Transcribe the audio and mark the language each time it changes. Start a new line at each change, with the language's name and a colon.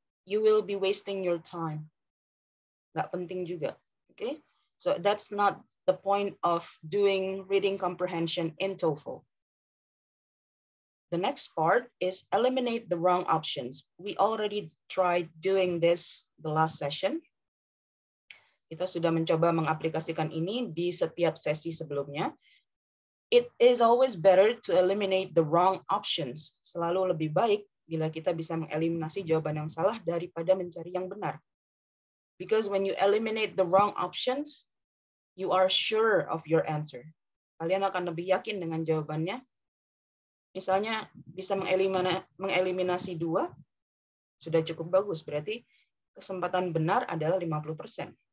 English: You will be wasting your time.
Indonesian: Nggak penting juga.
English: Okay? So that's not the point of doing reading comprehension in TOEFL. The next part is eliminate the wrong options. We already tried doing this the last session.
Indonesian: Kita sudah mencoba mengaplikasikan ini di setiap sesi sebelumnya.
English: It is always better to eliminate the wrong options.
Indonesian: Selalu lebih baik bila kita bisa mengeliminasi jawaban yang salah daripada mencari yang benar.
English: Because when you eliminate the wrong options, you are sure of your answer.
Indonesian: Kalian akan lebih yakin dengan jawabannya. Misalnya bisa mengeliminasi dua, sudah cukup bagus. Berarti kesempatan benar adalah 50%.